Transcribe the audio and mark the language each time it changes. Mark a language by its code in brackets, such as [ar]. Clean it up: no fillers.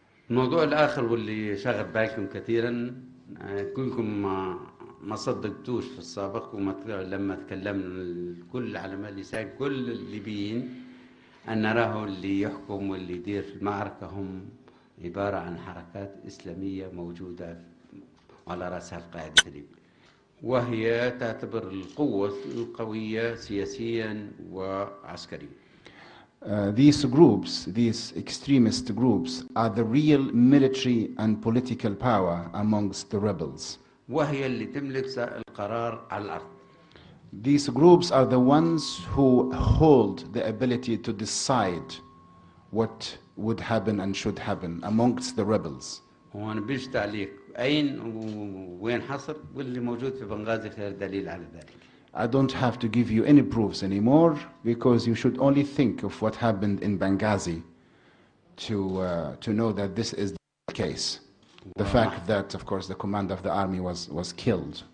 [ar] الموضوع الآخر واللي شغل بالكم كثيرا كلكم ما صدقتوش في السابق لما تكلمنا كل علماء اللسان كل الليبيين أن نراه اللي يحكم واللي يدير في المعركة هم عبارة عن حركات إسلامية موجودة على رأسها القاعدة الليبية وهي تعتبر القوة القوية سياسيا وعسكريا. [en] These groups, these extremist groups, are the real military and political power amongst the rebels. [ar] وهي اللي تملك القرار على الأرض. [en] These groups are the ones who hold the ability to decide what would happen and should happen amongst the rebels. [ar] وانا بيش تعليق أين وين حصل واللي موجود في بنغازي خير دليل على ذلك. [en] I don't have to give you any proofs anymore because you should only think of what happened in Benghazi to know that this is the case. The fact that, of course, the commander of the army was killed.